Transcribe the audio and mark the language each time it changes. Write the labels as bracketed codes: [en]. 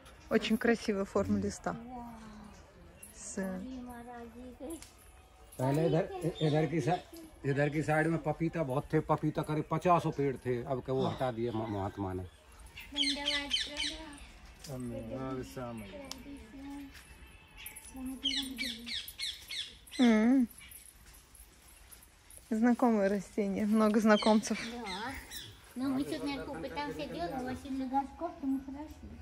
[ru] Очень красивая форма листа. [hi] पहले इधर इधर की साइड में पपीता बहुत थे, पपीता करीब 500 पेड़ थे, अब के वो हटा दिए महात्मा ने। [ru] Знакомое растение, много знакомцев. Да. Но мы тут наверху пытаемся делать, но очень много сков, то мы хорошо.